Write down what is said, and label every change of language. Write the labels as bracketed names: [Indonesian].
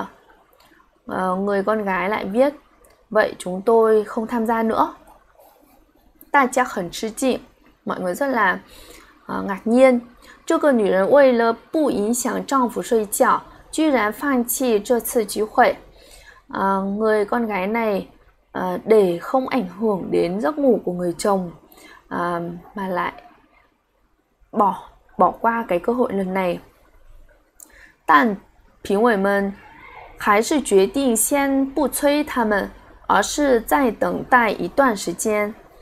[Vietnamese] Người con gái lại viết, vậy chúng tôi không tham gia nữa. [Chinese] 大家很吃惊, [Vietnamese] mọi người rất là ngạc nhiên. [Chinese] 这个女人为了不影响丈夫睡觉, 居然放弃这次机会。 [Vietnamese] Người con gái này để không ảnh hưởng đến giấc ngủ của người chồng mà lại bỏ qua cái cơ hội lần này. [Chinese] 但评委们还是决定先不催他们, 而是再等待一段时间。